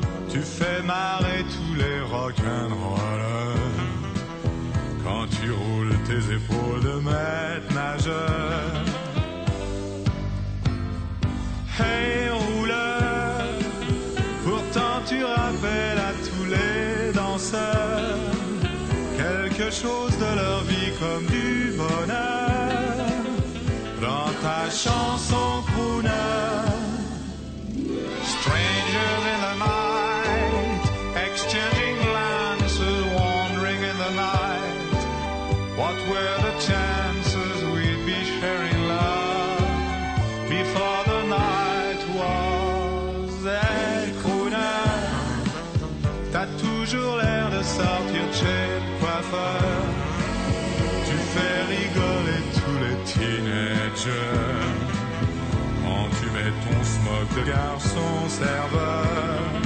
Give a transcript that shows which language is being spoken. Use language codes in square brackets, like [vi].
[fr] Tu fais marrer tous les rock'n'rollers quand tu roules tes épaules de maître nageur. Hey rouleur, pourtant tu rappelles à tous les danseurs quelque chose de leur vie comme du bonheur. Dans ta chanson crooner, [en] strangers in the night, exchanging glances, wandering in the night, what were the chances we'd be sharing love before the night was [fr] écroulé. T'as toujours l'air de sortir chez le coiffeur, tu fais rigoler tous les teenagers quand tu mets ton smock de garçon serveur.